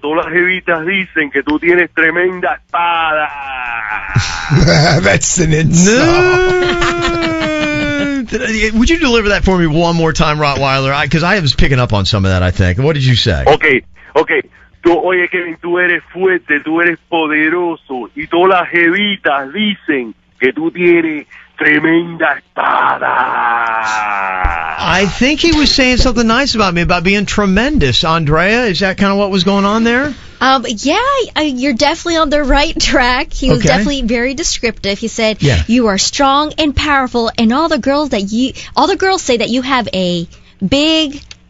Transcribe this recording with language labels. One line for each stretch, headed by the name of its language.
Spanish: Todas las jevitas dicen que tú tienes tremenda espada.
English: That's an insult. Would you deliver that for me one more time, Rottweiler? Because I was picking up on some of that, I think. What did you say? Okay.
Spanish: Oye, Kevin, tú eres fuerte, tú eres poderoso, y todas las jevitas dicen que tú tienes tremenda espada.
English: I think he was saying something nice about me, about being tremendous. Andrea, is that kind of what was going on there? You're definitely on the right track. He was definitely very descriptive. He said, you are strong and powerful, and all the girls say that you have a big...